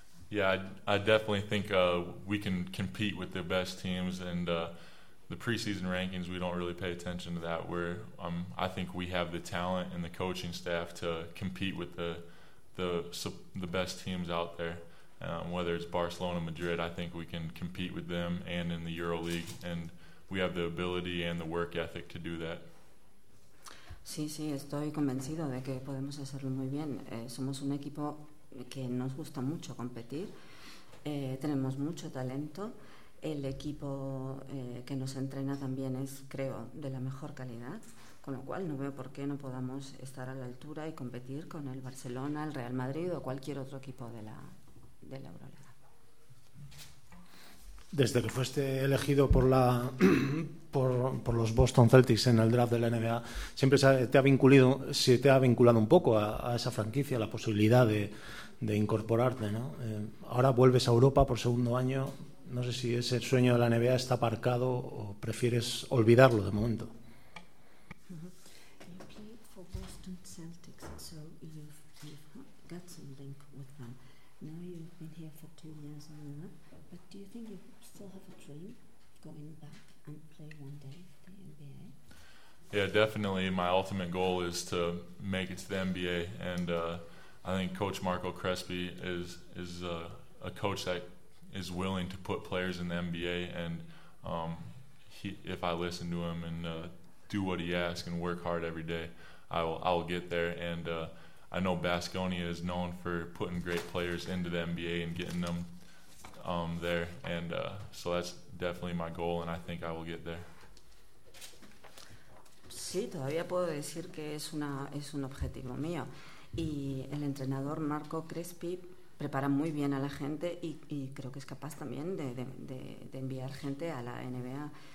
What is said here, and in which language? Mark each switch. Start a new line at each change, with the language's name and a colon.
English: Yeah, I definitely think we can compete with the best teams, and the preseason rankings, we don't really pay attention to that. I think we have the talent and the coaching staff to compete with the best teams out there, whether it's Barcelona, Madrid. I think we can compete with them and in the EuroLeague, and we have the ability and the work ethic to do that.
Spanish: Sí, sí, estoy convencido de que podemos hacerlo muy bien. Somos un equipo que nos gusta mucho competir, tenemos mucho talento, el equipo que nos entrena también es, creo, de la mejor calidad, con lo cual no veo por qué no podamos estar a la altura y competir con el Barcelona, el Real Madrid o cualquier otro equipo de la Euroliga. Desde que fuiste elegido por los Boston Celtics en el draft de la NBA, siempre se te ha vinculado un poco a esa franquicia, la posibilidad de incorporarte, ¿no? Ahora vuelves a Europa por segundo año. No sé si ese sueño de la NBA está aparcado o prefieres olvidarlo de momento.
English: You played for Boston Celtics, so you've got some link with them. Now you've been here for 2 years and a half, but do you think you still have a dream of going back and play one day for the NBA? Yeah, definitely. My ultimate goal is to make it to the NBA, and I think Coach Marco Crespi is a coach that is willing to put players in the NBA, and if I listen to him and do what he asks and work hard every day, I'll get there. And I know Baskonia is known for putting great players into the NBA and getting them there, and so that's definitely my goal, and I think I will get there.
Spanish: Sí, todavía puedo decir que es un objetivo mío. Y el entrenador Marco Crespi prepara muy bien a la gente y creo que es capaz también de enviar gente a la NBA.